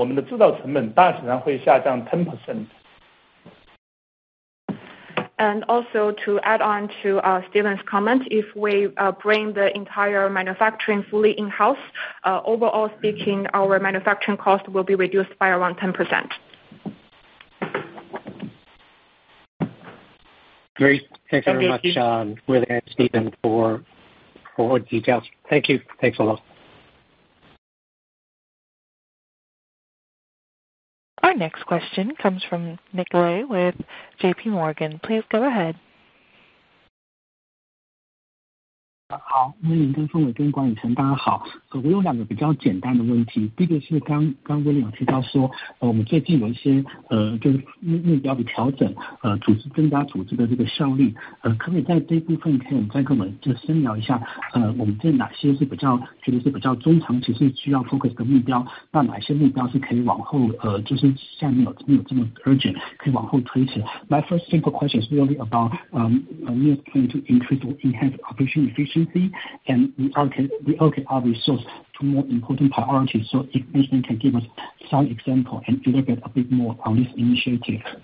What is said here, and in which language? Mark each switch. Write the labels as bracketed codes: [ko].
[zh] 对，我补充一下，就是如果我们这个完全由自己来制造的话，那么我们的制造成本大体上会下降 10%。 [en] And also to add on to Steven's comment, if we bring the entire manufacturing fully in-house, overall speaking, our manufacturing cost will be reduced by around 10%. Great. Thank you very much, William and Stephen, for all the details. Thank you. Thanks a lot. Our next question comes from Nick Lay with JP Morgan. Please go ahead. [zh] 好，威廉跟凤伟跟管理层大家好。我有两个比较简单的问题。第一个是刚威廉有提到说，我们最近有一些就是目标的调整，组织增加组织的这个效率，可不可以在这部分可以再跟我们就深聊一下，我们在哪些是比较觉得是比较中长期是需要 focus 的目标，那哪些目标是可以往后就是现在没有这么 urgent 可以往后推迟。 [en] My first simple question is really about Nio's plan to increase or enhance operation efficiency and reallocate our resource to more important priorities. So if management can give us some example and elaborate a bit more on this initiative.